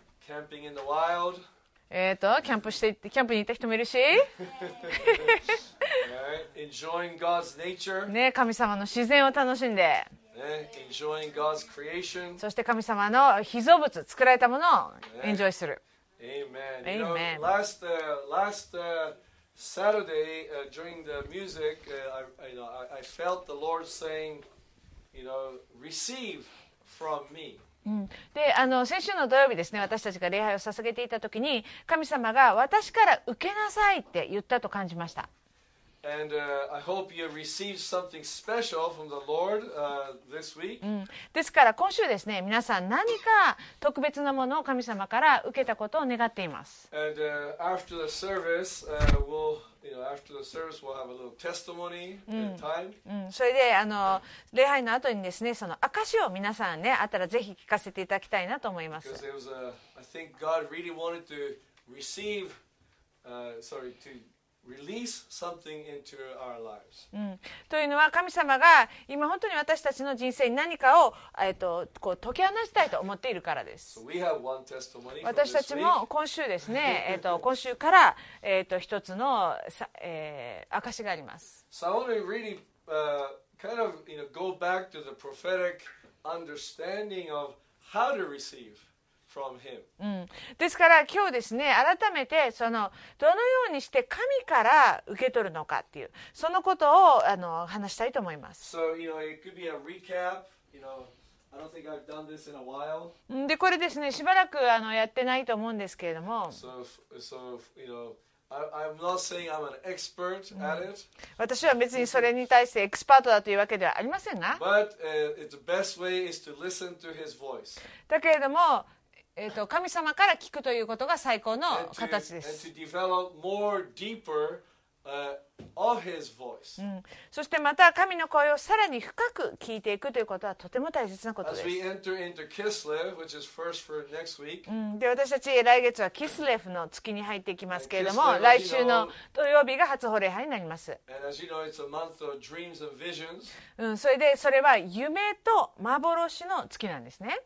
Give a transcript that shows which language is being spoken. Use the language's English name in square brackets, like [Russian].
[English] Camping in the wild. [Japanese] キャンプしていって、キャンプに行った人もいるし。 [English] Right. Enjoying God's nature. [Japanese] ね、神様の自然を楽しんで。 [English] Enjoying God's creation. [Japanese] そして神様の秘蔵物、作られたものをエンジョイする。 [English] Amen. Amen. You know, last Saturday, during the music, I felt the Lord saying, you know, receive from me. [Japanese] うん、で先週の土曜日ですね、私たちが礼拝を捧げていた時に神様が私から受けなさいって言ったと感じました。 [English] And, I hope you received something special from the Lord, this week. [Japanese] うん、ですから今週ですね、皆さん何か特別なものを神様から受けたことを願っています。 [English] And, after the service, we'll... You know, after the service, we'll have a little testimony time. [Japanese] うん、それで礼拝の後にですね、その証を皆さんね、あったらぜひ聞かせていただきたいなと思います。 [English] Because it was I think God really wanted to receive, to release something into our lives. [Japanese] うん、というのは神様が今本当に私たちの人生に何かをこう解き放したいと思っているからです。 [English] So we have one testimony from this week. [Japanese] 私たちも今週ですね、今週から一つの証があります。 [English] So I want to really kind of you know go back to the prophetic understanding of how to receive. From him. [Japanese] うん、ですから今日ですね、改めてそのどのようにして神から受け取るのかっていう、そのことを話したいと思います。 [English] So, you know, it could be a recap. You know, I don't think I've done this in a while. [Japanese] で、これですね、しばらくやってないと思うんですけれども。 [English] So, you know,I'm not saying I'm an expert at it. [Japanese] 私は別にそれに対してエクスパートだというわけではありませんが。 [English] But, the best way is to listen to his voice. [Japanese] だけれども、神様から聞くということが最高の形です。 [English] and to develop more deeper, of his voice.、 [Japanese] うん、そしてまた神の声をさらに深く聞いていくということはとても大切なことです。 [English] As we enter into Kislev, which is first for next week.、 [Japanese] うん、で私たち来月はキスレフの月に入っていきますけれども、 来週の土曜日が初ホレ拝になります。 [English] And as you know, it's a month of dreams and visions.、 [Japanese] うん、それでそれは夢と幻の月なんですね。